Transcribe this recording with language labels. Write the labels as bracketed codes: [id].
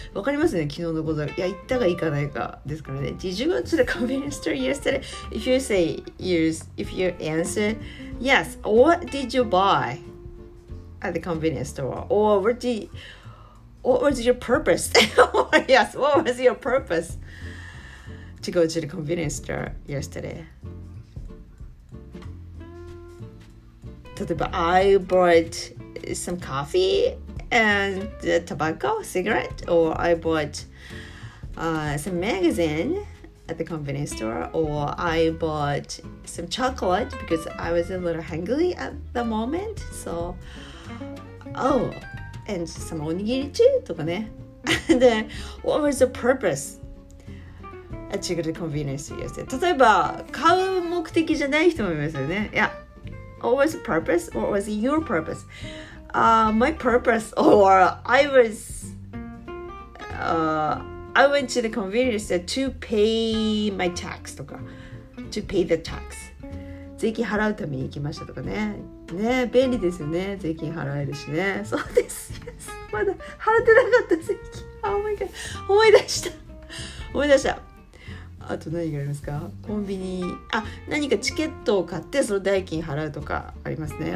[ja] わかりますね、昨日のこと。いや、行ったか行かないかですからね。 [en] Did you go to the convenience store yesterday? If you say yes, if you answer yes, what did you buy at the convenience store? Or what was your purpose? Yes, what was your purpose to go to the convenience store yesterday? [ja] 例えば、 [en] I bought some coffee and tobacco, cigarette, or I bought some magazine at the convenience store, or I bought some chocolate because I was a little hungry at the moment. So, oh, and some onigiri too, [ja] とかね。 [en] And what was the purpose? To go to the convenience store yesterday. [ja] 例えば、買う目的じゃない人もいますよね。 [en] Yeah. What was the purpose? What was your purpose? My purpose, or I was, I went to the convenience store to pay my tax, とか to pay the tax. [ja] 税金払うために行きましたとかね。ね、便利ですよね。税金払えるしね。そうです。Yes. まだ払ってなかった税金。 [en] Oh my god. [ja] 思い出した。思い出した。あと何がありますか?コンビニ。あ、何かチケットを買ってその代金払うとかありますね。